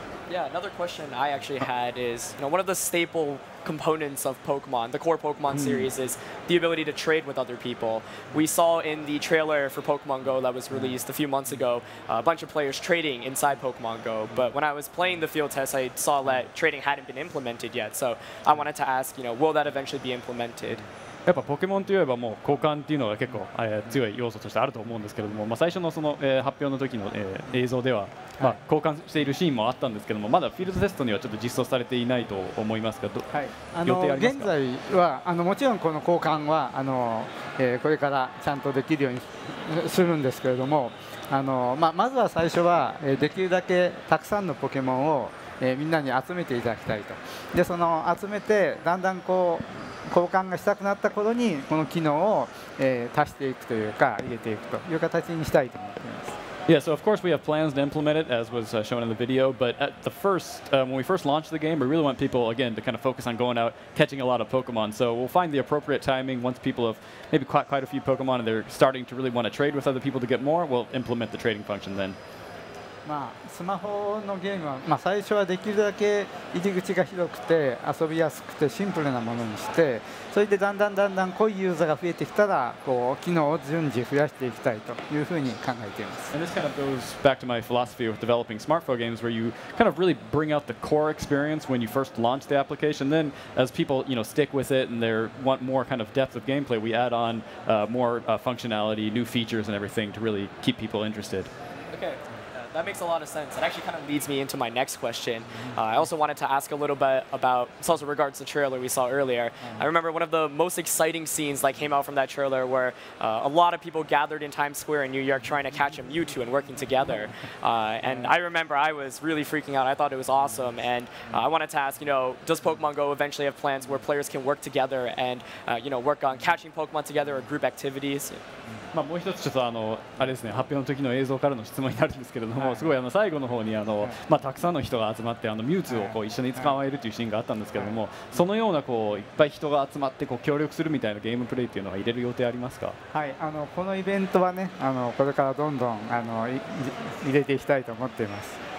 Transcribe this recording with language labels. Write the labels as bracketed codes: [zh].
[en] Yeah, another question I actually had is, you know, one of the staple components of Pokemon, the core Pokemon series, is the ability to trade with other people. We saw in the trailer for Pokemon Go that was released a few months ago, a bunch of players trading inside Pokemon Go. But when I was playing the field test, I saw that trading hadn't been implemented yet. So I wanted to ask, you know, will that eventually be implemented? [ja] やっぱポケモンといえばもう交換というのが結構強い要素としてあると思うんですけれども、まあ、最初 の, その発表の時の映像ではまあ交換しているシーンもあったんですけども、まだフィールドテストにはちょっと実装されていないと思いますが、予定ありますか？現在はもちろんこの交換はこれからちゃんとできるようにするんですけれども、まずは最初はできるだけたくさんのポケモンをみんなに集めていただきたいと。でその集めてだんだんこう交換がしたくなった頃にこの機能を足していくというか入れていくという形にしたいと思っています。 [en] Yeah, so of course we have plans to implement it as was shown in the video, but at the first, when we first launched the game, we really want people again to kind of focus on going out, catching a lot of Pokemon. So we'll find the appropriate timing once people have maybe caught quite a few Pokemon and they're starting to really want to trade with other people to get more, we'll implement the trading function then. [ja] まあ、スマホのゲームは、まあ、最初はできるだけ入り口が広くて遊びやすくてシンプルなものにして、それでだんだんだんだん濃いユーザーが増えてきたら、こう機能を順次増やしていきたいというふうに考えています。 [en] And this kind of goes back to my philosophy of developing smartphone games, where you kind of really bring out the core experience when you first launch the application. Then as people, you know, stick with it and they want more kind of depth of gameplay, we add on more functionality, new features and everything to really keep people interested. Okay. That makes a lot of sense. That actually kind of leads me into my next question. I also wanted to ask a little bit about, it's also regards the trailer we saw earlier. I remember one of the most exciting scenes that came out from that trailer were a lot of people gathered in Times Square in New York trying to catch a Mewtwo and working together. And I remember I was really freaking out. I thought it was awesome. And I wanted to ask, you know, does Pokemon Go eventually have plans where players can work together and, you know, work on catching Pokemon together or group activities? [ja] まあ、もう一つちょっとあれですね、発表の時の映像からの質問になるんですけれども、すごい最後の方にまあ、たくさんの人が集まってミュウツーをこう一緒に捕まえるというシーンがあったんですけれども、そのようなこういっぱい人が集まってこう協力するみたいなゲームプレイというのは入れる予定ありますか？はい、このイベントはね、これからどんどん入れていきたいと思っています。